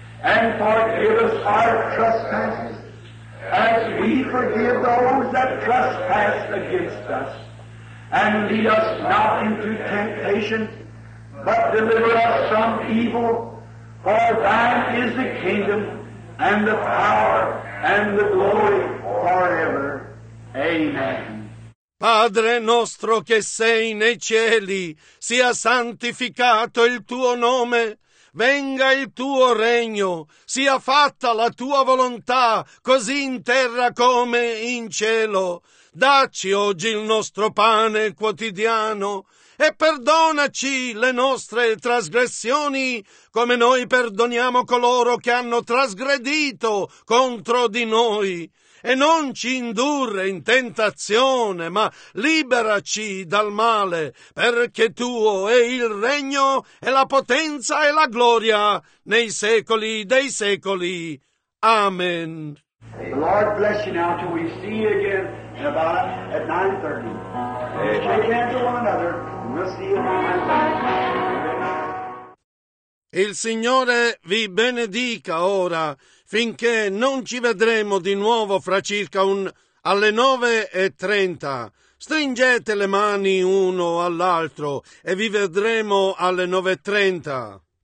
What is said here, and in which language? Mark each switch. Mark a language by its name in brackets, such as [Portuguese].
[English] and forgive us our trespasses, as we forgive those that trespass against us. And lead us not into temptation, but deliver us from evil. For thine is the kingdom, and the power, and the glory forever. Amen. [Italian] Padre nostro che sei nei cieli, sia santificato il tuo nome, venga il tuo regno, sia fatta la tua volontà, così in terra come in cielo. Dacci oggi il nostro pane quotidiano e perdonaci le nostre trasgressioni, come noi perdoniamo coloro che hanno trasgredito contro di noi. E non ci indurre in tentazione, ma liberaci dal male, perché tuo è il regno e la potenza e la gloria nei secoli dei secoli. Amen. [English] The Lord bless you now till we see you again at 9:30. Shake hands to one another and we'll see you at 9:30. [Italian] Il Signore vi benedica ora, finché non ci vedremo di nuovo fra circa alle 9:30. Stringete le mani uno all'altro e vi vedremo alle 9:30.